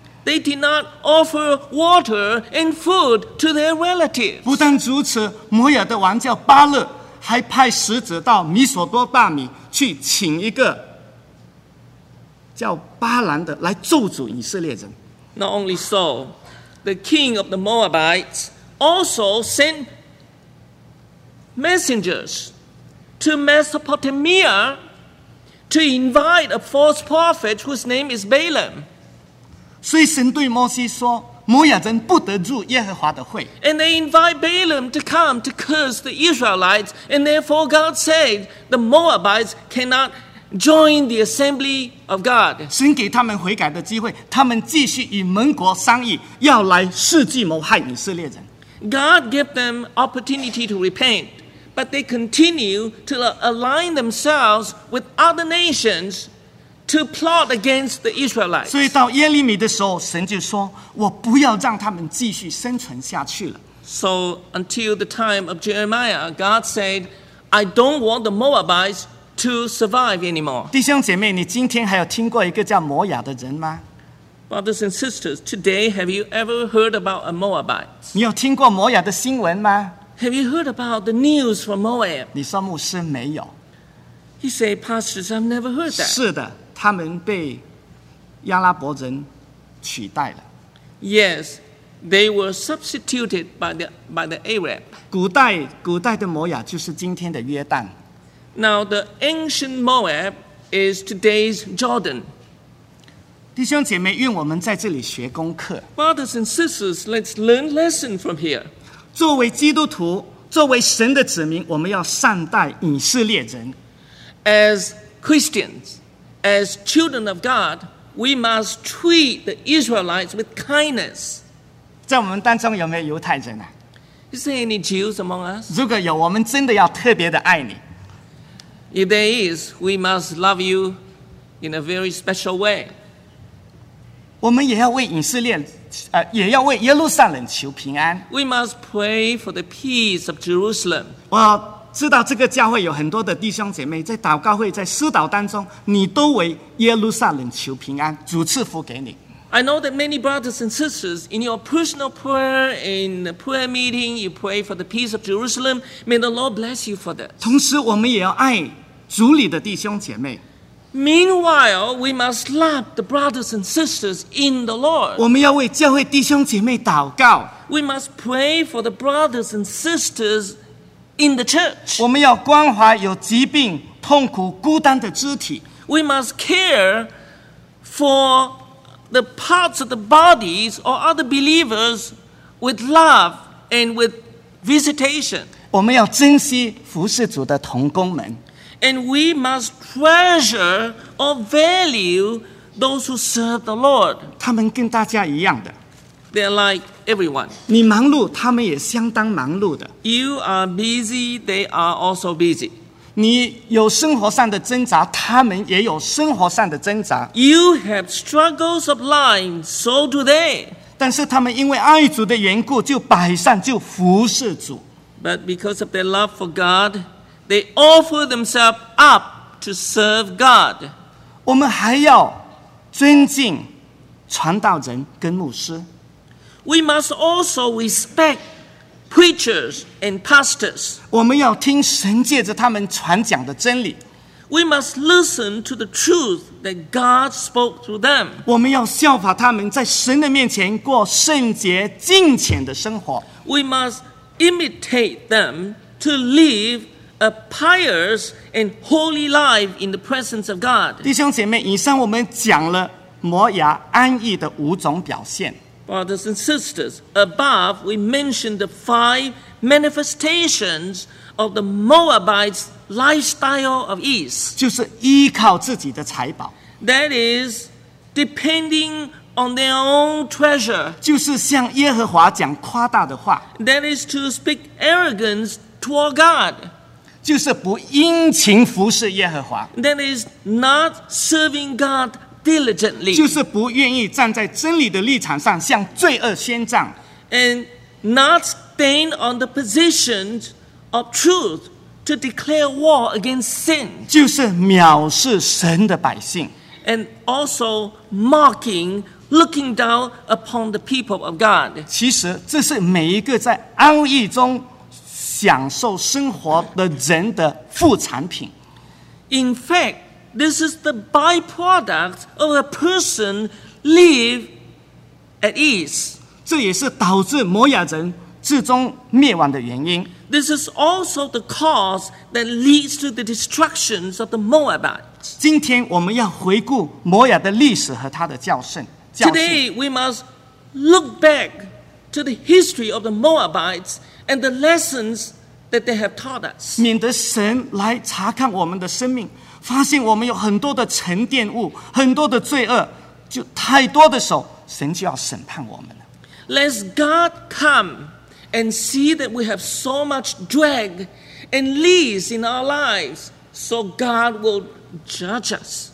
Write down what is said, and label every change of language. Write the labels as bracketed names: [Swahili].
[English] They did not offer water and food to their relatives. [Chinese] 不但如此，摩亚的王叫巴勒，还派使者到米索多大米去请一个叫巴兰的来咒诅以色列人。 [English] Not only so, the king of the Moabites also sent messengers to Mesopotamia to invite a false prophet whose name is Balaam. [Chinese] 所以神对摩西说，摩亚人不得入耶和华的会。 [English] And they invite Balaam to come to curse the Israelites, and therefore God said the Moabites cannot join the assembly of God. [Chinese] 神给他们悔改的机会，他们继续与盟国商议，要来设计谋害以色列人。 [English] God gave them opportunity to repent, but they continue to align themselves with other nations to plot against the Israelites. [Chinese] 所以到耶利米的时候，神就说，我不要让他们继续生存下去了。 [English] So until the time of Jeremiah, God said, I don't want the Moabites to survive anymore. [Chinese] 弟兄姐妹，你今天还有听过一个叫摩亚的人吗？ [English] Brothers and sisters, today have you ever heard about a Moabite? [Chinese] 你有听过摩亚的新闻吗？ [English] Have you heard about the news from Moab? [Chinese] 你说牧师没有。 [English] He said, pastors, I've never heard that. [Chinese] 是的，他们被亚拉伯人取代了。 [English] Yes, they were substituted by the Arab. [Chinese] 古代的摩亚就是今天的约旦。 [English] Now the ancient Moab is today's Jordan. [Chinese] 弟兄姐妹，愿我们在这里学功课。 [English] Brothers and sisters, let's learn lesson from here. [Chinese] 作为基督徒，作为神的子民，我们要善待以色列人。 [English] As Christians, as children of God, we must treat the Israelites with kindness. [Chinese] 在我们当中有没有犹太人啊？ [English] Is there any Jews among us? [Chinese] 如果有，我们真的要特别的爱你。 [English] If there is, we must love you in a very special way. [Chinese] 我们也要为以色列，也要为耶路撒冷求平安。 [English] We must pray for the peace of Jerusalem. [Chinese] 我知道这个教会有很多的弟兄姐妹在祷告会、在施祷当中，你都为耶路撒冷求平安，主赐福给你。 [English] I know that many brothers and sisters, in your personal prayer, in the prayer meeting, you pray for the peace of Jerusalem. May the Lord bless you for that. [Chinese] 同时我们也要爱主里的弟兄姐妹。 [English] Meanwhile, we must love the brothers and sisters in the Lord. [Chinese] 我们要为教会弟兄姐妹祷告。 [English] We must pray for the brothers and sisters in the church. [Chinese] 我们要关怀有疾病、痛苦、孤单的肢体。 [English] We must care for the parts of the bodies or other believers with love and with visitation. [Chinese] 我们要珍惜服侍主的同工们。 [English] And we must treasure or value those who serve the Lord. [Chinese] 他们跟大家一样的。 [English] They're like everyone. [Chinese] 你忙碌，他们也相当忙碌的。 [English] You are busy, they are also busy. [Chinese] 你有生活上的挣扎，他们也有生活上的挣扎。 [English] You have struggles of life, so do they. [Chinese] 但是他们因为爱主的缘故，就摆上就服侍主。 [English] But because of their love for God, they offer themselves up to serve God. [Chinese] 我们还要尊敬传道人跟牧师。 [English] We must also respect preachers and pastors. [Chinese] 我们要听神借着他们传讲的真理。 [English] We must listen to the truth that God spoke through them. [Chinese] 我们要效法他们在神的面前过圣洁敬虔的生活。 [English] We must imitate them to live a pious and holy life in the presence of God. [Chinese] 弟兄姐妹，以上我们讲了摩亚安逸的五种表现。 [English] Brothers and sisters, above we mentioned the five manifestations of the Moabites' lifestyle of ease. [Chinese] 就是依靠自己的财宝。 [English] That is, depending on their own treasure. [Chinese] 就是向耶和华讲夸大的话。 [English] That is to speak arrogance toward God. [Chinese] 就是不殷勤服侍耶和华。 [English] That is not serving God diligently, [Chinese] 就是不愿意站在真理的立场上向罪恶宣战。 [English] And not stand on the position of truth to declare war against sin， [Chinese] 就是藐视神的百姓。 [English] And also mocking, looking down upon the people of God. [Chinese] 其实这是每一个在安逸中享受生活的人的副产品。 [English] In fact, this is the byproduct of a person live at ease. [Chinese] 这也是导致摩亚人最终灭亡的原因。 [English] This is also the cause that leads to the destructions of the Moabites. [Chinese] 今天我们要回顾摩亚的历史和他的教训。 [English] Today we must look back to the history of the Moabites and the lessons that they have taught us. [Chinese] 免得神来查看我们的生命，发现我们有很多的沉淀物，很多的罪恶，就太多的时候，神就要审判我们了。 [English] Let God come and see that we have so much drag and lees in our lives, so God will judge us.